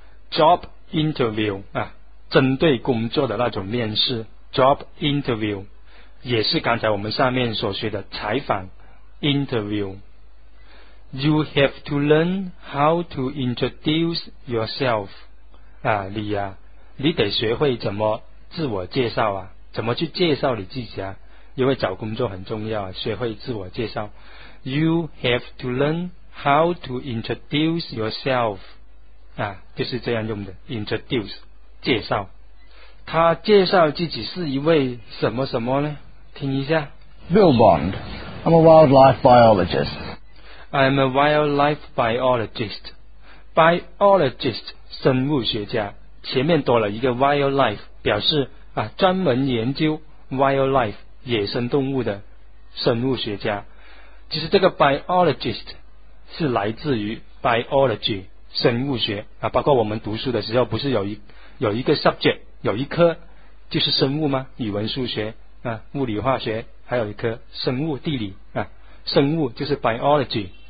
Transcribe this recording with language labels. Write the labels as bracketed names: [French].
[Chinese] job interview 啊，针对工作的那种面试 job interview， 也是刚才我们上面所学的采访 interview。 [English] You have to learn how to introduce yourself [Chinese] 啊，你啊你得学会怎么自我介绍啊，怎么去介绍你自己啊，因为找工作很重要啊，学会自我介绍。 [English] You have to learn how to introduce yourself [Chinese] 啊，就是这样用的 introduce 介绍。他介绍自己是一位什么什么呢，听一下。 [English] Bill Bond, I'm a wildlife biologist. I'm a wildlife biologist. [Chinese] Biologist 生物学家，前面多了一个 wildlife 表示啊，专门研究 wildlife 野生动物的生物学家。其实这个 biologist 是来自于 biology生物学啊，包括我们读书的时候不是有一个 subject 有一科就是生物吗，语文数学啊，物理化学，还有一科生物地理啊，生物就是 biology。